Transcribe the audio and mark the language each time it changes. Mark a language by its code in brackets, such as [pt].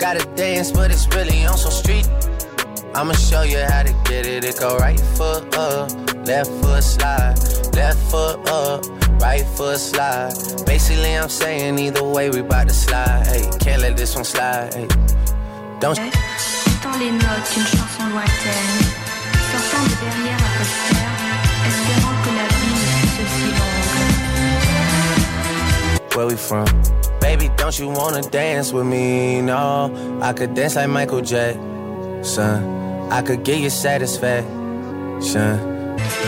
[en] gotta dance, but it's really on some street. I'ma show you how to get it. It go right foot up, left foot slide. Left foot up, right foot slide. Basically, I'm saying either way, we bout to slide. Hey, can't let this one slide. Hey, don't. [fr] Dans les notes d'une chanson lointaine, sortant de dernière atmosphère, espérant que la vie ne soit [en] si. Where we from? Baby, don't you wanna dance with me? No, I could dance like Michael Jackson. I could get you satisfaction.